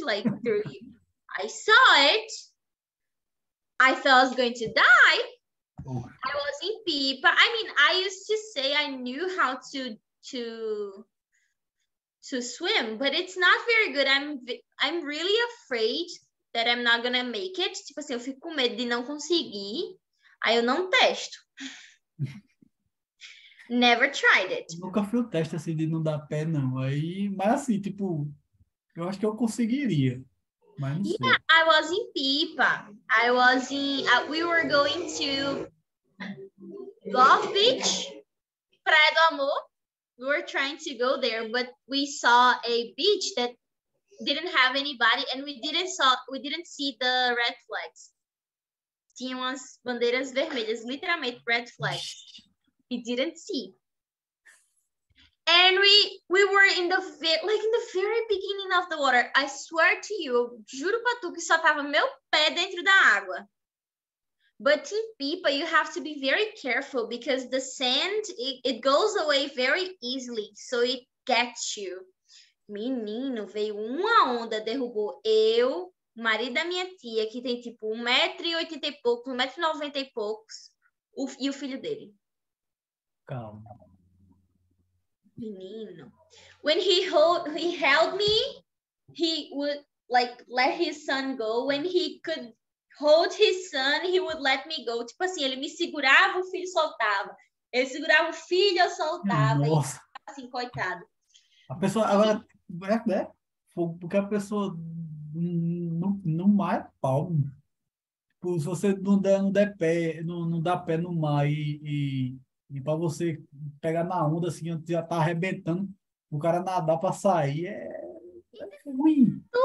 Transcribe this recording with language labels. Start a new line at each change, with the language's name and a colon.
English: Like, through you. I saw it. I thought I was going to die. I was in Pipa. I mean, I used to say I knew how to to swim, but it's not very good. I'm really afraid that I'm not gonna make it.
Portuguese: Tipo assim, eu fico com medo de não conseguir. Aí eu não testo.
English: Never tried it.
Portuguese: Eu nunca fui o teste assim de não dar pé, não. Aí, mas assim, tipo, eu acho que eu conseguiria. Mas não sei.
English: Yeah, I was in Pipa. I was in. We were going to Golf Beach, Praia do Amor. We were trying to go there, but we saw a beach that didn't have anybody, and we didn't see the red flags.
Portuguese: Tinha umas bandeiras vermelhas, literalmente
English: red flags. We didn't see. And we were in the in the very beginning of the water. I swear to you,
Portuguese: eu juro pra tu que só tava meu pé dentro da água.
English: But in Pipa, you have to be very careful because the sand, it goes away very easily. So it gets you.
Portuguese: Menino, veio uma onda, derrubou eu, marido da minha tia, que tem tipo 1,80 e poucos, 1,90 e poucos, e o filho dele. Calma. Menino.
English: When he held me, he would like let his son go. When he could hold his son, he would let me go.
Portuguese: Tipo assim, ele me segurava, o filho soltava. Ele segurava o filho, eu soltava. Nossa. E, assim, coitado. A pessoa, agora, né? Porque a pessoa no mar é pau. Tipo, se você não dá pé no mar e pra você pegar na onda, assim, antes já tá arrebentando, o cara nadar pra sair é ruim.